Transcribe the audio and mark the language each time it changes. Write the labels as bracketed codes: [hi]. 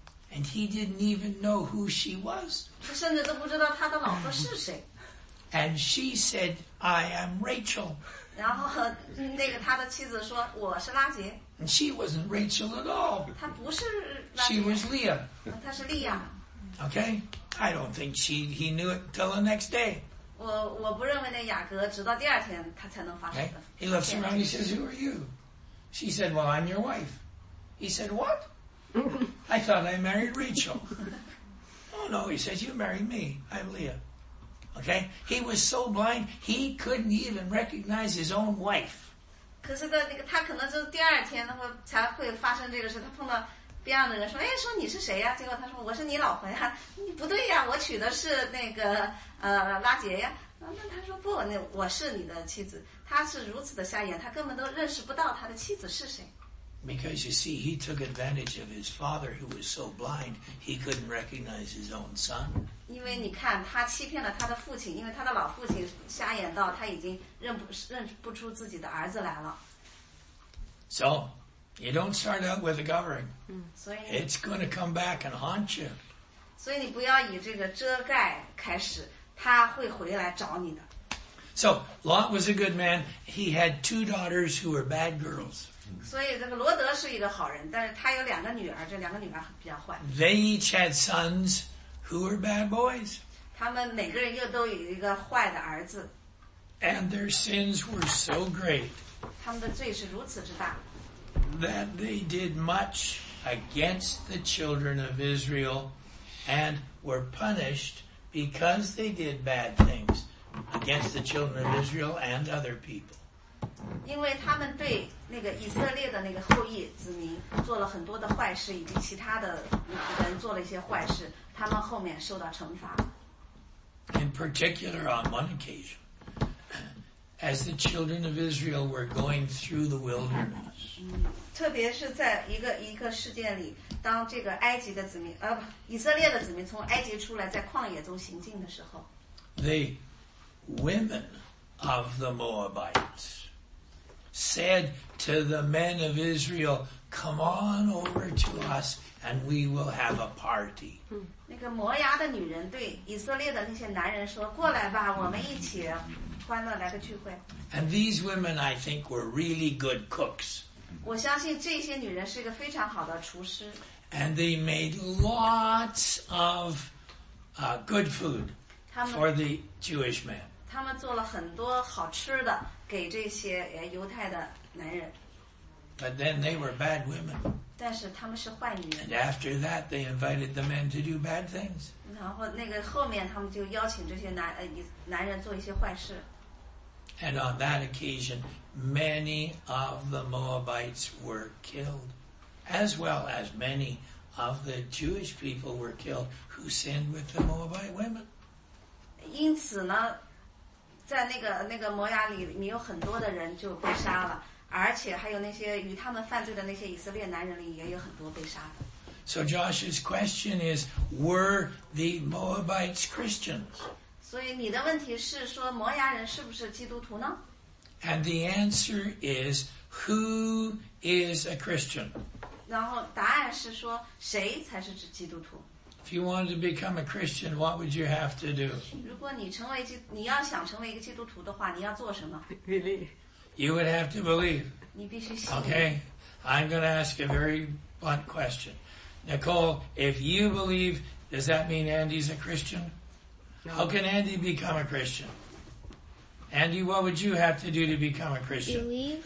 [en] And he didn't even know who she was. [zh] 他甚至都不知道他的老婆是谁。 [en] And she said, I am Rachel. [zh] 然后那个他的妻子说我是拉杰。 [en] And she wasn't Rachel at all. [zh] 她不是拉杰。 [en] She was Leah. [zh] 她是莉亚。 [en] Okay? I don't think he knew it until the next day. [zh] 我不认为那雅各直到第二天他才能发现。 [en] Okay? He looks around, he says, who are you? She said, well, I'm your wife. He said, what? I thought I married Rachel. Oh no, he says, you married me. I'm Leah. Okay? He was so blind, he couldn't even recognize his own wife. [zh] 可是的那个他可能就第二天的话才会发生这个事他碰到别人的人说哎说你是谁呀结果他说我是你老婆呀你不对呀我娶的是那个拉杰呀。那他说不那我是你的妻子。他是如此的瞎眼他根本都认识不到他的妻子是谁。 [en] Because you see, he took advantage of his father who was so blind, he couldn't recognize his own son. [zh] 因为你看他欺骗了他的父亲因为他的老父亲瞎眼到他已经认不出自己的儿子来了。 [en] So, you don't start out with a covering. [zh] 所以 [en] It's going to come back and haunt you. [zh] 所以你不要以这个遮盖开始他会回来找你的。 [en] So, Lot was a good man. He had two daughters who were bad girls. [zh] 所以这个罗德是一个好人，但是他有两个女儿，这两个女儿比较坏。 [en] They each had sons who were bad boys. [zh] 他们每个人又都有一个坏的儿子。 [en] And their sins were so great. [zh] 他们的罪是如此之大。 [en] That they did much against the children of Israel and were punished because they did bad things against the children of Israel and other people. [zh] 因为他们对那个以色列的那个后裔子民做了很多的坏事，以及其他的人做了一些坏事，他们后面受到惩罚。 [en] In particular, on one occasion, as the children of Israel were going through the wilderness, [zh] 特别是在一个事件里，当这个埃及的子民，以色列的子民从埃及出来，在旷野中行进的时候 [en] ，the women of the Moabites. Said to the men of Israel, come on over to us and we will have a party. [zh] 那个摩押的女人对以色列的那些男人说过来吧我们一起欢乐来个聚会。 [en] And these women I think were really good cooks. [zh] 我相信这些女人是一个非常好的厨师。 [en] And they made lots of good food for the Jewish men. [zh] 他们做了很多好吃的。给这些犹太的男人。 [en] But then they were bad women. [zh] 但是他们是坏女人。 [en] And after that, they invited the men to do bad things. [zh] 然后那个后面他们就邀请这些男人做一些坏事。 [en] And on that occasion, many of the Moabites were killed, as well as many of the Jewish people were killed who sinned with the Moabite women. [zh] 因此呢。在那个摩押里，你有很多的人就被杀了，而且还有那些与他们犯罪的那些以色列男人里，也有很多被杀的。 [en] So Josh's question is, were the Moabites Christians? [zh] 所以你的问题是说摩押人是不是基督徒呢 [en] ？And the answer is, who is a Christian? [zh] 然后答案是说谁才是指基督徒？ [en] If you wanted to become a Christian, what would you have to do? [zh] 如果你要想成为一个基督徒的话，你要做什么 [en] ？Believe. You would have to believe. [zh] 你必须信。 [en] Okay, I'm going to ask a very blunt question. Nicole, if you believe, does that mean Andy's a Christian? How can Andy become a Christian? Andy, what would you have to do to become a Christian? Believe.